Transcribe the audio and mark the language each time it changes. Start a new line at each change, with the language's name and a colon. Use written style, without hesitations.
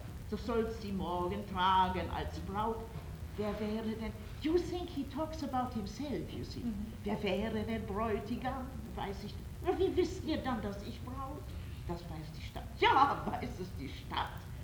German: So sollst die morgen tragen als Braut. Wer wäre denn,
English: you think he talks about himself, you see. Mm-hmm.
German: Wer wäre denn Bräutigam, weiß ich. Wie wisst ihr dann, dass ich Braut? Das weiß die Stadt. Ja, weiß es die Stadt.